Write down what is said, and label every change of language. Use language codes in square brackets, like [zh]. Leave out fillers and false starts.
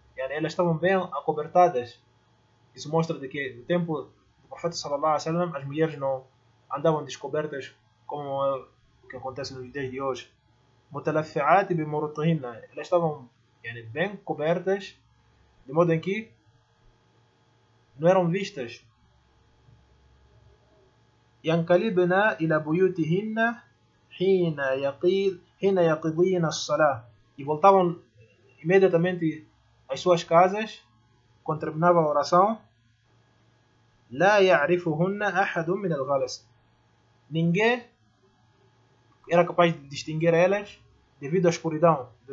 [pt] Elas estavam bem acobertadas. Isso mostra de que no tempo do profeta sallallahu alaihi wasallam as mulheres não andavam descobertas como é o que acontece nos dias de hoje. [ar] Mutalaffi'ati bimurutihinna. [pt] Elas estavam bem cobertas, de modo em que não eram vistas. [ar] ينقلبن إلى بيوتهن حين يقضين الصلاة. [pt] E voltavam imediatamente às suas casas quando terminava a oração. [ar] لا يعرفهن أحد من الغلس. [pt] Ninguém era capaz de distinguir elas devido à escuridão.